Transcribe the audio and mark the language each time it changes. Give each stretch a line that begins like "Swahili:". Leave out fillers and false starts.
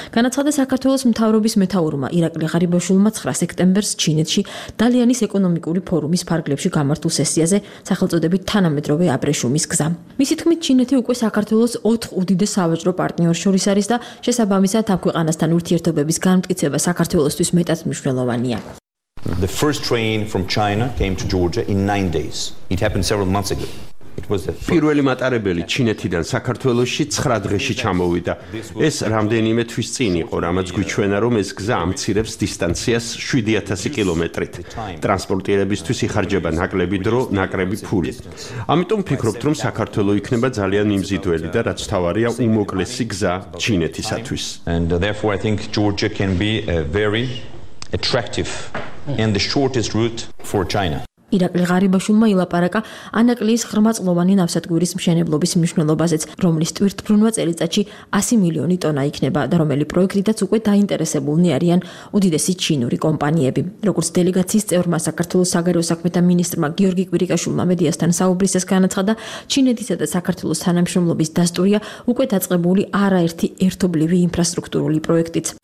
Georgian: განაცხადა საქართველოს მთავრობის მეთაურმა ირაკლი ღარიბაშვილმა 9 სექტემბერს ჩინეთში, დალიანის ეკონომიკური ფორუმის ფარგლებში გამართულ სესიაზე სახელწოდებით თანამედროვე აბრეშუმის გზა. მისი თქმით, ჩინეთი უკვე საქართველოს 4 უდიდეს სავაჭრო პარტნიორს შორის არის და შესაბამისად ამ ქვეყანასთან ურთიერთობების განმტკიცება საქართველოსთვის მეტად მნიშვნელოვანია.
English: The first train from China came to Georgia in 9 days. It happened several months ago.
Georgian: პირველი მატარებელი ჩინეთიდან საქართველოში 9 დღეში ჩამოვიდა. ეს რამდენიმე თვის წინ იყო, რამაც გვიჩვენა, რომ ეს გზა ამცირებს დისტანციას 7000 კილომეტრით. ტრანსპორტირებისთვის იხარჯება ნაკლები დრო, ნაკლები ფული. ამიტომ ფიქრობთ, რომ საქართველო იქნება ძალიან იმზიდველი და რაც თავარია, უმოკლესი გზა ჩინეთისათვის.
English: And therefore I think Georgia can be very attractive and the shortest route for China.
Georgian: ირაკლი ღარიბაშვილმა ილაპარაკა ანაკლიის ღრმაწლოვანი ნავსადგურის მშენებლობის მნიშვნელობაზეც, რომლის ტვირთბრუნვა წელიწადში 100 მილიონი ტონა იქნება და რომელი პროექტითაც უკვე დაინტერესებულნი არიან უდიდესი ჩინური კომპანიები. როგორც დელეგაციის წევრმა საქართველოს საგარეო საქმეთა მინისტრმა გიორგი კვირიკაშვილმა მედიასთან საუბრისას განაცხადა, ჩინეთისა და საქართველოს თანამშრომლობის დასტურია უკვე დაწყებული არაერთი ერთობლივი ინფრასტრუქტურული პროექტიც.